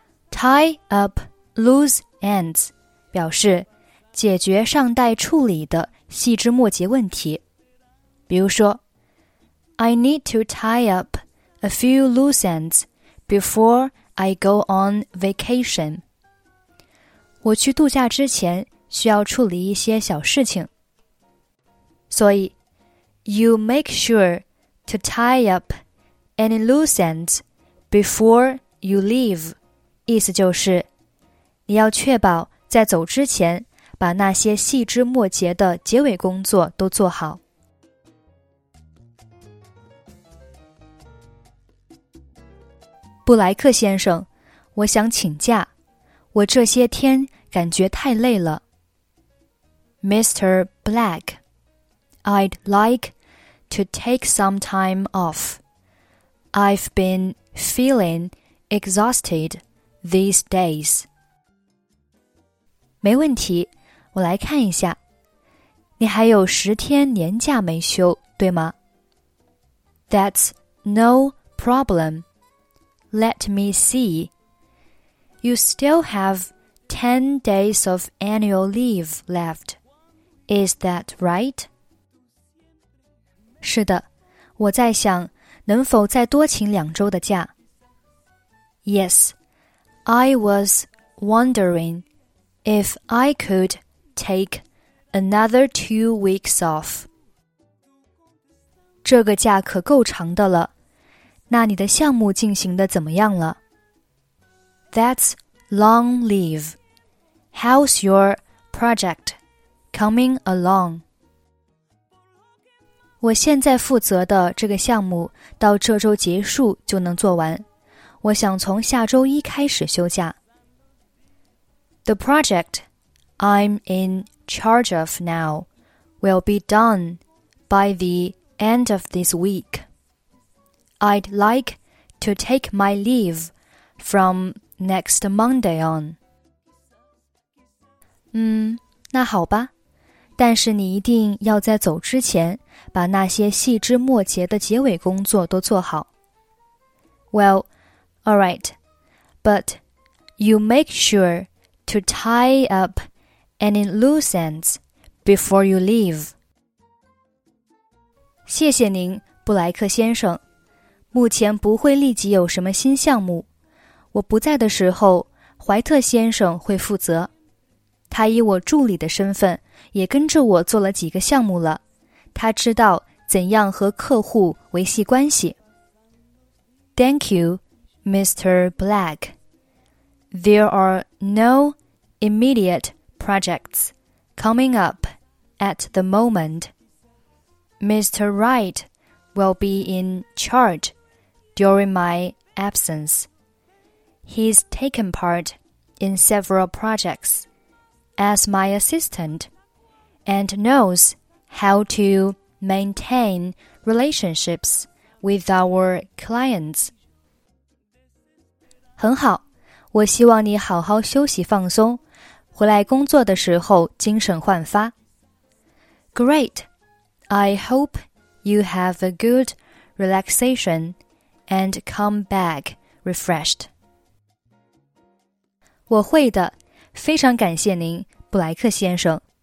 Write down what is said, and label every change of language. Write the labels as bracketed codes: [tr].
[en] Tie up loose ends [zh] 表示解决尚待处理的细枝末节问题，比如说 [en] I need to tie up a few loose ends before I go on vacation. [zh] 我去度假之前需要处理一些小事情。所以 [en] You make sure to tie up any loose ends before you leave. [zh] 意思就是你要确保在走之前把那些细枝末节的结尾工作都做好。布莱克先生，我想请假，我这些天感觉太累了。 [en] Mr. Black, I'd like to take some time off. I've been feeling exhausted these days. [zh] 没问题。我来看一下，你还有十天年假没休，对吗 ？ [en] That's no problem. Let me see. You still have 10 days of annual leave left. Is that right? [zh] 是的，我在想能否再多请两周的假。 [en] Yes, I was wondering if I could. Take another 2 weeks off. [zh] 这个假可够长的了。那你的项目进行得怎么样了 [en] ？That's long leave. How's your project coming along? [zh] 我现在负责的这个项目到这周结束就能做完。我想从下周一开始休假。 [en] The project. I'm in charge of now, will be done by the end of this week. I'd like to take my leave from next Monday on. [zh] 那好吧，但是你一定要在走之前把那些细枝末节的结尾工作都做好。 [en] Well, all right, but you make sure to tie up. And in loose ends before you leave. [zh] 谢谢您，布莱克先生。目前不会立即有什么新项目。我不在的时候，怀特先生会负责。他以我助理的身份，也跟着我做了几个项目了。他知道怎样和客户维系关系。 [en] Thank you, Mr. Black. There are no immediate. Projects coming up at the moment. Mr. Wright will be in charge during my absence. He's taken part in several projects as my assistant and knows how to maintain relationships with our clients. [zh] 很好，我希望你好好休息放松。回来工作的时候精神焕发。 [en] Great. I hope you have a good relaxation and come back refreshed. [zh] 我会的，非常感谢您，布莱克先生。